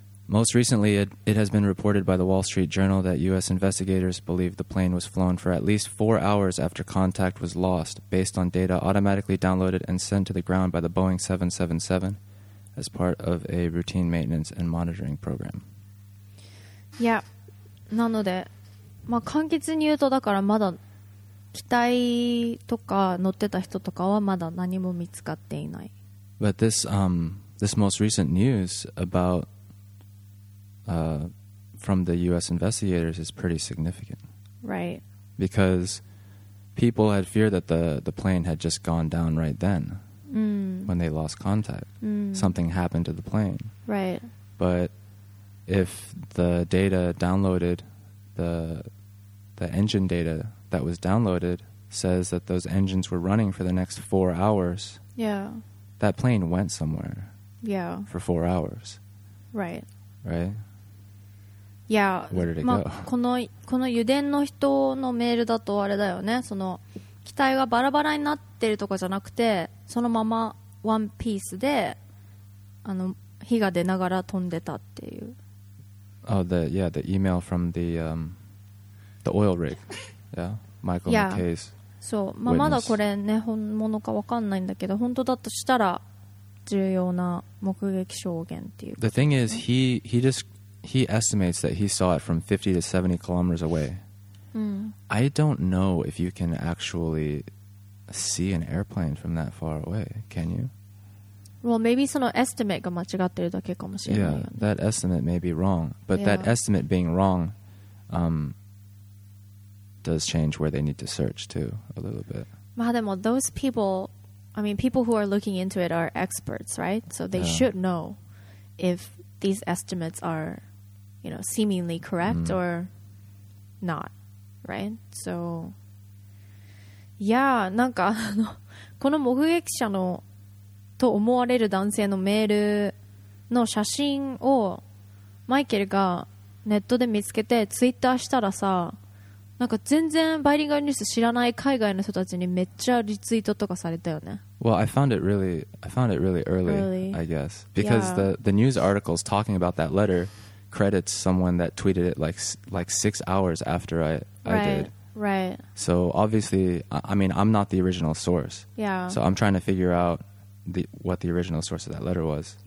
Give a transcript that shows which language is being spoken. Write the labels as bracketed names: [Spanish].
[English] Most recently, it has been reported by the Wall Street Journal that U.S. investigators believe the plane was flown for at least 4 hours after contact was lost, based on data automatically downloaded and sent to the ground by the Boeing 777 as part of a routine maintenance and monitoring program. [Japanese] Yeah, なので、まあ、簡潔に言うとだからまだ機体とか乗ってた人とかはまだ何も見つかっていない。 [English] But this most recent news aboutfrom the U.S. investigators is pretty significant. Right. Because people had feared that the plane had just gone down right then when they lost contact. Something happened to the plane. Right. But if the data downloaded, the engine data that was downloaded says that those engines were running for the next 4 hours. Yeah. That plane went somewhere. Yeah. For 4 hours. Right. Right. [Japanese] いや、まあ、この油田の人のメールだとあれだよね、その機体がバラバラになってるとかじゃなくて、そのままワンピースで火が出ながら飛んでたっていう。 [English] Oh, the, yeah, the email from the,the oil rig. Yeah, Michael yeah. McKay's. [Japanese] そう、まあ、まだこれね、本物か分かんないんだけど、本当だとしたら重要な目撃証言っていう、ね。 [English] The thing is, he justHe estimates that he saw it from 50 to 70 kilometers away. I don't know if you can actually see an airplane from that far away. Can you? Well, maybe [Japanese] その estimate が間違ってるだけかもしれない。 [English] Yeah, that estimate may be wrong. But that estimate being wrong, does change where they need to search too, a little bit. [Japanese] まあでも [English] those people, I mean, people who are looking into it are experts, right? So they should know if these estimates are... You know, seemingly correct or not, right? So, yeah, [Japanese] なんかこの目撃者のと思われる男性のメールの写真をマイケルがネットで見つけてツイッターしたらさ、なんか全然バイリンガルニュース知らない海外の人たちにめっちゃリツイートとかされたよね。 [English] Well, I found it really early, I guess, because the news articles talking about that letter. credits someone that tweeted it like 6 hours after I did. Right. So obviously, I mean, I'm not the original source. Yeah. So I'm trying to figure out what the original source of that letter was.